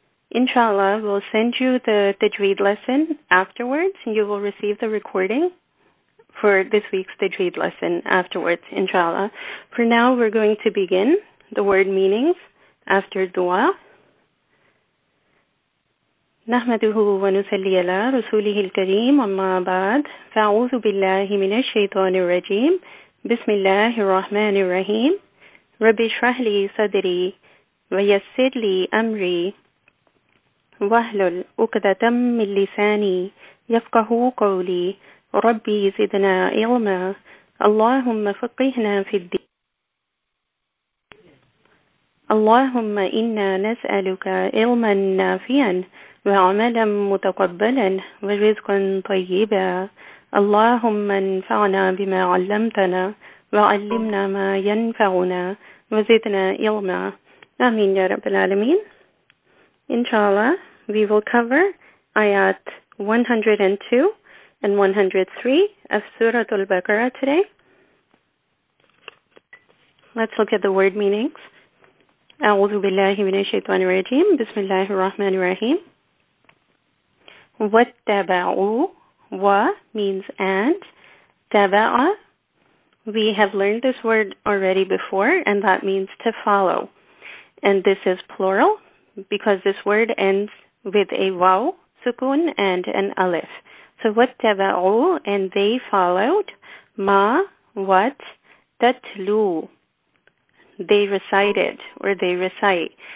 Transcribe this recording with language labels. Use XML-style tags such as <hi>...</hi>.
<en>Inshallah, we'll send you the Tajweed lesson afterwards and you will receive the recording for this week's Tajweed lesson afterwards, inshallah. For now, we're going to begin the word meanings after dua.</en> <ar>نحمده ونصلي على رسوله الكريم أما بعد فأعوذ بالله من الشيطان الرجيم بسم الله الرحمن الرحيم رب اشرح لي صدري ويسر لي أمري واحلل عقدة من لساني يفقه قولي ربي زدنا علما اللهم فقهنا في الدين اللهم إنا نسألك علما نافعا وعملا متقبلا ورزقا طيبا اللهم انفعنا بما علمتنا وعلمنا ما ينفعنا وزدنا علما آمين يا رب العالمين.</ar> <en>Inshallah, we will cover ayat 102 and 103 of Surah Al-Baqarah today. Let's look at the word meanings.</en> <ar>أعوذ بالله من الشيطان الرجيم بسم الله الرحمن الرحيم وَاتَّبَعُوا</ar> <en>wa means and. تَبَعَ, we have learned this word already before, and that means to follow. And this is plural because this word ends with a waw, sukun, and an alif. So وَاتَّبَعُوا, and they followed. مَا, what, تَتْلُو, they recited, or they recite.</en>